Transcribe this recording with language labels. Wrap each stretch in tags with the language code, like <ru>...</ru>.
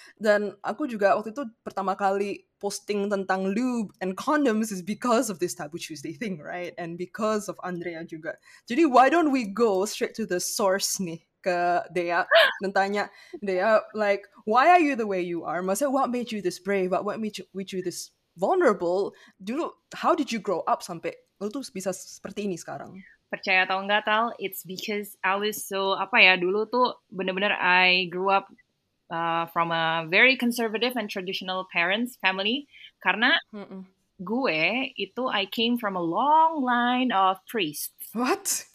<id>Dan aku juga waktu itu pertama kali posting tentang</id> <en>lube and condoms is because of this Taboo Tuesday thing, right? And because of Andrea juga. Jadi why don't we go straight to the source nih,</en> <id>ke Dea, dan tanya Dea,</id> <en>like, why are you the way you are? Maksudnya, what made you this brave? What made you this vulnerable?</en> <id>Dulu,</id> <en>how did you grow up</en> <id>sampai lu tuh bisa seperti ini sekarang? Percaya atau enggak, Tal,</id> <en>it's because I was so,</en> <id>apa ya, dulu tuh benar-benar</id> <en>I grew up from a very conservative and traditional parents, family,</en> <id>karena gue itu,</id> <en>I came from a long line of priests. What?</en>